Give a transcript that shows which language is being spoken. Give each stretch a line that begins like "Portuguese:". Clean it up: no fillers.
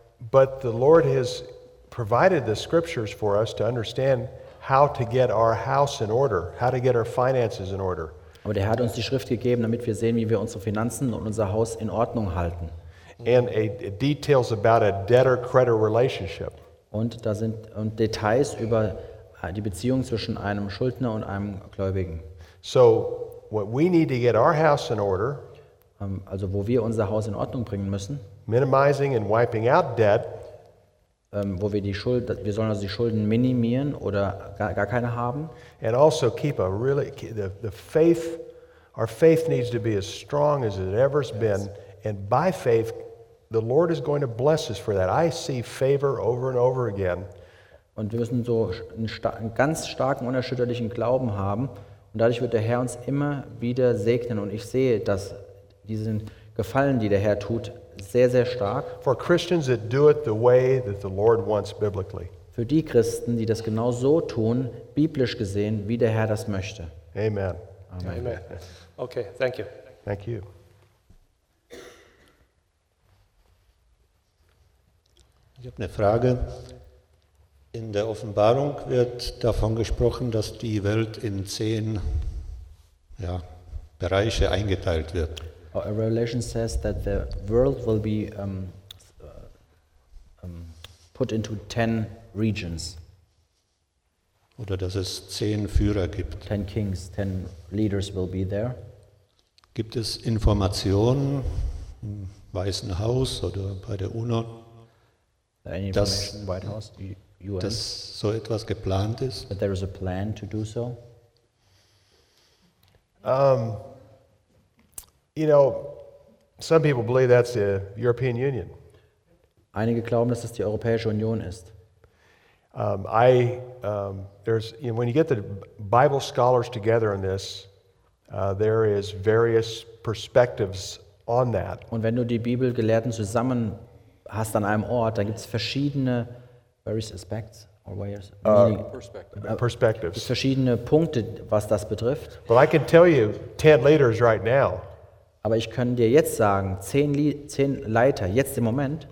English: But the Lord has provided the scriptures for us to understand how to get our house in order, how to get our finances in order.
German: Aber der Herr hat uns die Schrift gegeben, damit wir sehen, wie wir unsere Finanzen und unser Haus in Ordnung halten.
English: And details about a debtor-creditor relationship.
German: Und da sind Details über die Beziehung zwischen einem Schuldner und einem Gläubigen.
English: So, what we need to get our house in order,
German: also wo wir unser Haus in Ordnung bringen müssen,
English: minimizing and wiping out debt,
German: wo wir die Schuld, wir sollen also die Schulden minimieren oder gar keine haben.
English: And also keep a really the faith, our faith needs to be as strong as it ever has been, and by faith the Lord is going to bless us for that. I see favor over and over again.
German: Und wir müssen so einen ganz starken unerschütterlichen Glauben haben und dadurch wird der Herr uns immer wieder segnen und ich sehe, dass diesen Gefallen, die der Herr tut, sehr sehr stark.
English: For Christians that do it the way that the Lord wants biblically.
German: Für die Christen, die das genau so tun, biblisch gesehen, wie der Herr das möchte.
English: Amen. Amen. Amen. Okay, thank you. Thank you.
German: Ich habe eine Frage. In der Offenbarung wird davon gesprochen, dass die Welt in 10 Bereiche eingeteilt wird.
English: A revelation says that the world will be put into 10 regions.
German: Oder dass es 10 Führer gibt.
English: 10 kings, 10 leaders will be there.
German: Gibt es Informationen im Weißen Haus oder bei der UNO, dass, White House, UN, dass so etwas geplant ist?
English: That there is a plan to do so? You know, some people believe that's the European Union.
German: Einige glauben, dass es die Europäische Union ist.
English: There's, you know, when you get the Bible scholars together in this, there is various perspectives on that.
German: Und wenn du die Bibelgelehrten zusammen hast an einem Ort, dann gibt es verschiedene
English: various aspects or ways. Perspectives.
German: Verschiedene Punkte, was das betrifft.
English: But I can tell you, 10 leaders right now.
German: Aber ich kann dir jetzt sagen, 10 Leiter, jetzt im Moment,